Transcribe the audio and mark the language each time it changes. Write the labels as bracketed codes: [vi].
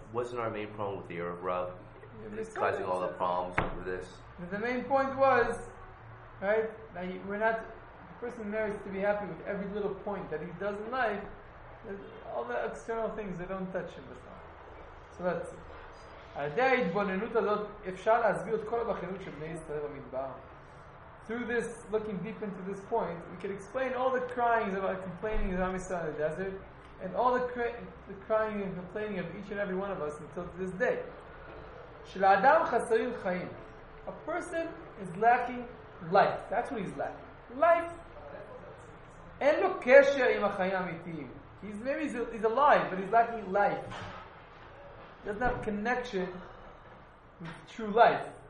[en] Wasn't our main problem with the Arab rug? It's causing all the problems with this. But the main point was, right, that we're not, the person merits to be happy with every little point that he does in life. All the external things, they don't touch him. So that's it. [he] על ידי ההתבוננות הזאת אפשר להסביר את כל הבחינות של בני ישראל במדבר. [en] Through this, looking deep into this point, we can explain all the crying about complaining of Am Yisrael in the desert, and all the crying and complaining of each and every one of us until this day. [he] שלאדם חסרים חיים. [en] A person is lacking life. That's what he's lacking. Life. [he] אין לו קשר עם החיים האמיתיים. [en] He's alive, but he's lacking life. Doesn't have connection with true life.